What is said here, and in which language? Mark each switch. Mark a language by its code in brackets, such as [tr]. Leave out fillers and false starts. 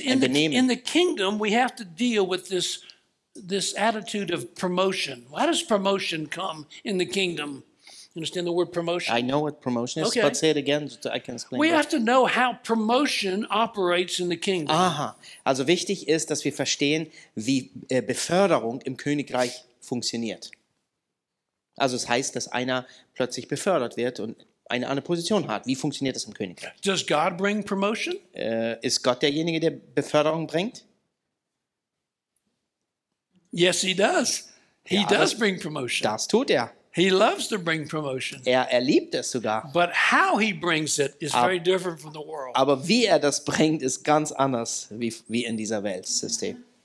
[de] ein Benehmen. [en] In the kingdom we have to deal with this attitude of promotion. Why does promotion come in the kingdom? You understand the word promotion? I know what promotion is, okay. But say it again so I can explain. We have to know how promotion operates in the kingdom. Aha. [de] Also wichtig ist, dass wir verstehen, wie Beförderung im Königreich funktioniert. Also es heißt, dass einer plötzlich befördert wird und eine andere Position hat. Wie funktioniert das im Königreich? [en] Does God bring promotion? [de] Ist Gott derjenige, der Beförderung bringt? [en] Yes, he does. He [de] ja, [en] does bring promotion. [de] Das tut er. [en] He loves to bring promotion. [de] Er liebt es sogar. [en] But how he brings it is very different from the world. [de] Aber wie er das bringt, ist ganz anders wie in dieser Weltsystem.